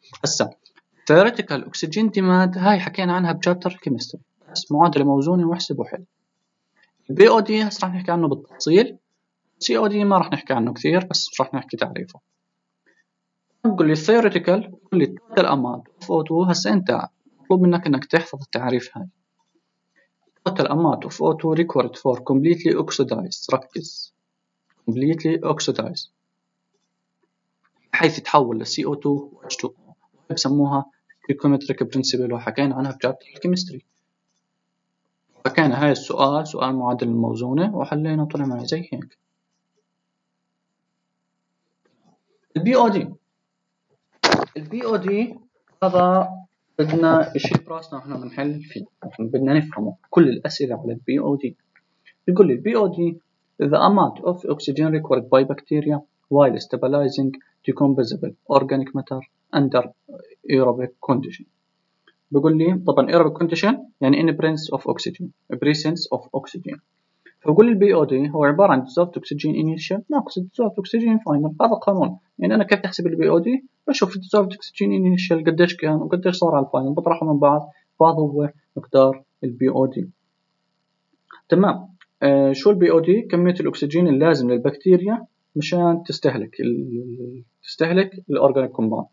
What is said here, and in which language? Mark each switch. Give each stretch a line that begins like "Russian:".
Arabic: هسه theoretical oxygen demand هاي حكينا عنها بشابتر كيمستري بس معادلة موزونة وحسب وحل. البي او دي هسه رح نحكي عنه بالتفصيل، سي او دي ما رح نحكي عنه كثير بس رح نحكي تعريفه. بقول لي theoretical بقول لي
English: total amount of O2،
Arabic: هسه انت مطلوب منك انك تحفظ التعريف هاي.
English: total amount of O2 required for completely oxidized،
Arabic: ركز completely oxidized حيث يتحول لسي او 2 اتش 2 بسموها stoichiometric principle وحكينا عنها في chapter الكيمستري. فكان هاي السؤال سؤال معادلة موزونة وحلينا وطلع معي زي هيك. البي او دي هذا بدنا اشي براسنا احنا بنحل فيه، بدنا نفهمه كل الاسئلة على البي او دي. بيقول لي البي او دي
English: the amount of oxygen required by bacteria while stabilizing decomposable organic matter under aerobic condition.
Arabic: بقول لي طبعا
English: aerobic condition يعني in presence of oxygen، presence of oxygen.
Arabic: فبقول لي BOD هو عبارة عن dissolved oxygen initial ناقص dissolved oxygen final. هذا قانون، يعني أنا كيف أحسب ال BOD؟ بشوف dissolved oxygen initial قديش كان وقديش صار على الفاينل، بطرحه من بعض فهذا هو مقدار ال BOD. تمام شو ال BOD؟ كمية الأكسجين اللازم للبكتيريا مشان تستهلك تستهلك الأورجانيك كومباوند.